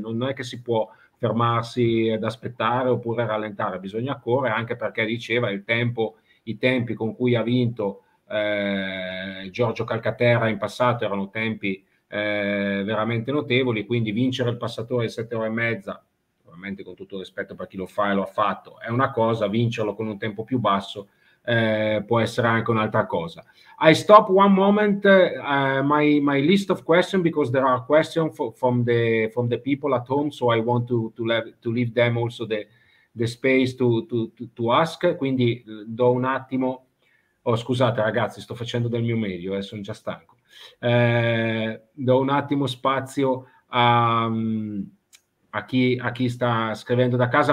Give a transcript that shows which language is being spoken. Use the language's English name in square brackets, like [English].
[Italian] Non è che si può fermarsi ed aspettare oppure rallentare, bisogna correre, anche perché diceva i tempi con cui ha vinto Giorgio Calcaterra in passato erano tempi veramente notevoli, quindi vincere il passatore in 7:30, ovviamente con tutto rispetto per chi lo fa e lo ha fatto, è una cosa, vincerlo con un tempo più basso può essere anche un'altra cosa. [English] I stop one moment my list of questions, because there are questions from the people at home, so I want to leave them also the space to ask. [Italian] Quindi do un attimo, scusate ragazzi, sto facendo del mio meglio, sono già stanco, do un attimo spazio a chi sta scrivendo da casa.